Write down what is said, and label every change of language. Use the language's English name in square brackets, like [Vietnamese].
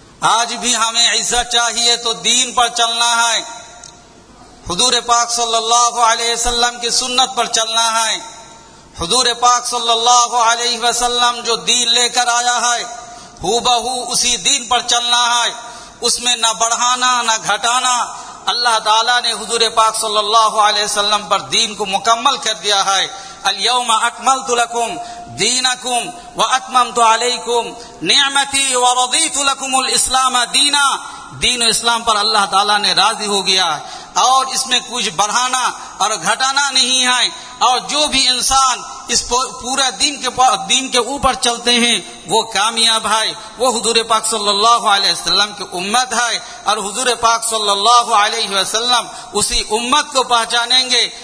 [Urdu] آج بھی ہمیں عزت چاہیے تو دین پر چلنا ہے, حضور پاک صلی اللہ علیہ وسلم کی سنت پر چلنا ہے. حضور پاک صلی اللہ علیہ وسلم جو دین لے کر آیا ہے, ہو بہو اسی دین پر چلنا ہے, اس میں نہ بڑھانا نہ گھٹانا. اللہ تعالیٰ نے حضور پاک صلی اللہ علیہ وسلم پر دین کو مکمل کر دیا ہے. [Arabic] الیوم اکملت لکم دینکم و اتممت علیکم نعمتی و رضیت لکم الاسلام دینا. [Urdu] دین و اسلام پر اللہ تعالیٰ نے راضی ہو گیا ہے, اور اس میں کچھ بڑھانا اور گھٹانا نہیں ہے. اور جو بھی انسان اس پورے دین کے اوپر چلتے ہیں وہ کامیاب ہے, وہ حضور پاک صلی اللہ علیہ وسلم کی امت ہے, اور حضور پاک صلی اللہ علیہ وسلم اسی امت کو پہچانیں گے.